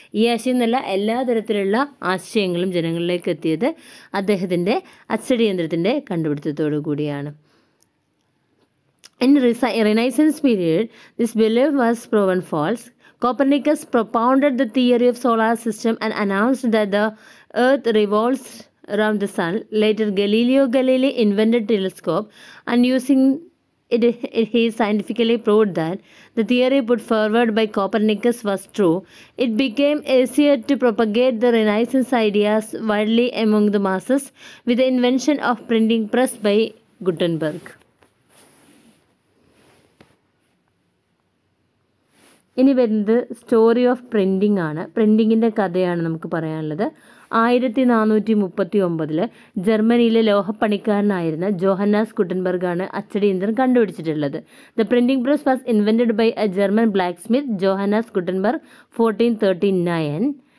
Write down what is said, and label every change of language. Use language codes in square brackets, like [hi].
[ml] ഈ ആശയം എന്നല്ല, എല്ലാ തരത്തിലുള്ള ആശയങ്ങളും ജനങ്ങളിലേക്ക് എത്തിയത് അദ്ദേഹത്തിൻ്റെ അച്ചടി യന്ത്രത്തിൻ്റെ കണ്ടുപിടുത്തത്തോടു കൂടിയാണ്. [en] In Renaissance period this belief was proven false. Copernicus propounded the theory of solar system and announced the Earth revolves around the sun. Later, Galileo Galilei invented telescope and using it, he scientifically proved that the theory put forward by Copernicus was true. It became easier to propagate the Renaissance ideas widely among the masses with the invention of printing press by Gutenberg. [ml] ഇനി വരുന്നത് story of printing ആണ്, പ്രിൻറ്റിങ്ങിൻ്റെ കഥയാണ് നമുക്ക് പറയാനുള്ളത്. 1439 ജർമ്മനിയിലെ ലോഹപ്പണിക്കാരനായിരുന്ന Johannes ഗുട്ടൻബർഗാണ് അച്ചടി യന്ത്രം കണ്ടുപിടിച്ചിട്ടുള്ളത്. [en] The printing press was invented by a German blacksmith Johannes Gutenberg 1439.